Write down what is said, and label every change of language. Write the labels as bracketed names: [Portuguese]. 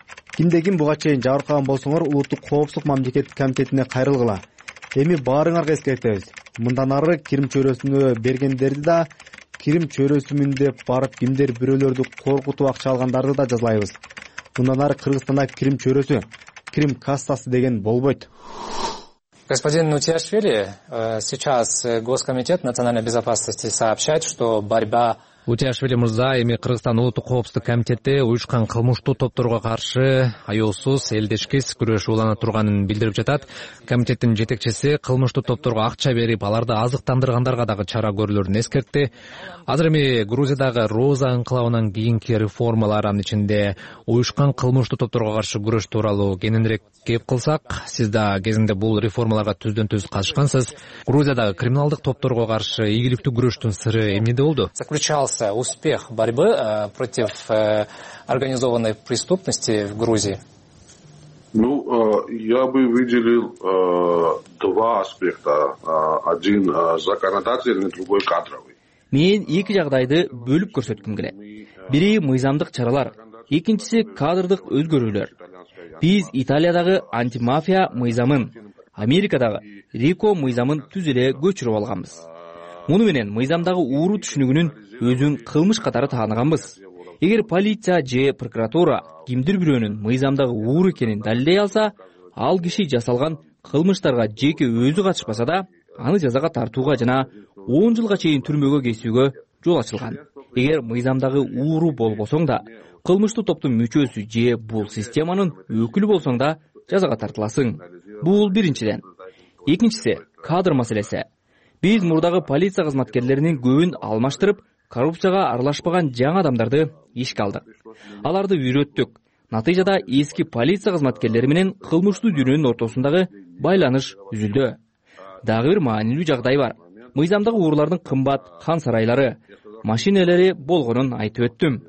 [Kyrgyz] Кимде ким буга чейин жабыркаган болсоңор, улуттук коопсуздук мамлекеттик комитетине кайрылгыла. Эми баарыңарга эскертебиз. Мындан ары кирим чөйрөсүнө бергендерди да, кирим чөйрөсү мүндө барып кимдер бирөөлөрдү коркутуп акча алгандарды да жазалайбыз. Мындан ары Кыргызстанда кирим чөйрөсү, кирим кассасы деген болбойт. [Russian] Господин Утиашвили, сейчас Госкомитет национальной безопасности сообщает, что борьба... [Kyrgyz] Утиашвили мырза, эми Кыргызстан улуттук коопсуздук комитети уюшкан кылмыштуу топторго каршы аеосуз, элдешкис күрөш улана турганын билдирип жатат. Комитеттин жетекчиси кылмыштуу топторго акча берип, аларды азыктандыргандарга дагы чара көрүлөрүн эскертти. Азыр эми Грузиядагы Роза инкылабынан кийинки реформалардын ичинде уюшкан кылмыштуу топторго каршы күрөш тууралуу кененирээк кеп кылсак, сиз да кезинде бул реформаларга түздөн-түз катышкансыз. Грузиядагы криминалдык топторго каршы ийгиликтүү күрөштүн сыры эмнеде болду? [Russian] Успех борьбы против организованной преступности в Грузии? Ну, я бы выделил два аспекта. Один законодательный, другой кадровый. [Kyrgyz] Мен эки жагдайды бөлүп көрсөткүм келет. Бири мыйзамдык чаралар, экинчиси кадрдык өзгөрүүлөр. Биз Италиядагы антимафия мыйзамын, Америкадагы РИКО мыйзамын түз эле көчүрүп алганбыз. Муну менен мыйзамдагы уру түшүнүгүнүн өзүн кылмыш катары тааныганбыз. Эгер полиция же прокуратура кимдир бирөөнүн мыйзамдагы уру экенин далилдей алса, ал киши жасалган кылмыштарга жеке өзү катышпаса да, аны жазага тартууга жана 10 жылга чейин түрмөгө кесүүгө жол ачылган. Эгер мыйзамдагы уру болбосоң да, кылмыштуу топтун мүчөсү же бул системанын өкүлү болсоң да жазага тартыласың. Бул биринчиден. Экинчиси кадр маселеси. Биз мурдагы полиция кызматкерлеринин көбүн алмаштырып, коррупцияга аралашпаган жаңы адамдарды ишке алдык. Аларды үйрөттүк. Натыйжада эски полиция кызматкерлери менен кылмыштуу дүйнөнүн ортосундагы байланыш үзүлдү. Дагы бир маанилүү жагдай бар. Мыйзамдагы уурлардын кымбат кан сарайлары, машинелери болгонун айтып өттүм.